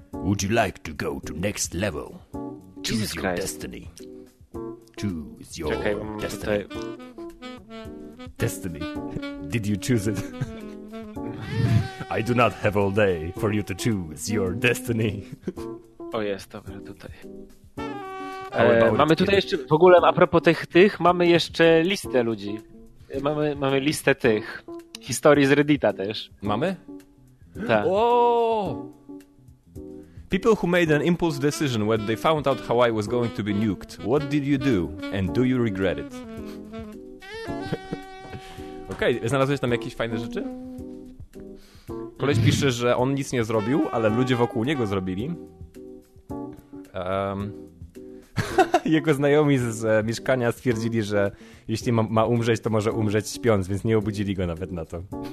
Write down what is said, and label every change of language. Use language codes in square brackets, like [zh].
[en] Would you like to go to next level? Choose your destiny. Choose your destiny. Destiny. Did you choose it? I do not have all day for you to choose your destiny. [pl] O, jest, dobra, tutaj. Mamy tutaj jeszcze, w ogóle a propos tych, mamy jeszcze listę ludzi. Mamy listę tych. Historii z Reddita też. Mamy? Tak. [en] People who made an impulse decision when they found out Hawaii was going to be nuked. What did you do? And do you regret it? [pl] Okej, znalazłeś tam jakieś fajne rzeczy? Koleś pisze, że on nic nie zrobił, ale ludzie wokół niego zrobili. Jego znajomi z mieszkania stwierdzili, że jeśli ma umrzeć, to może umrzeć śpiąc, więc nie obudzili go nawet na to.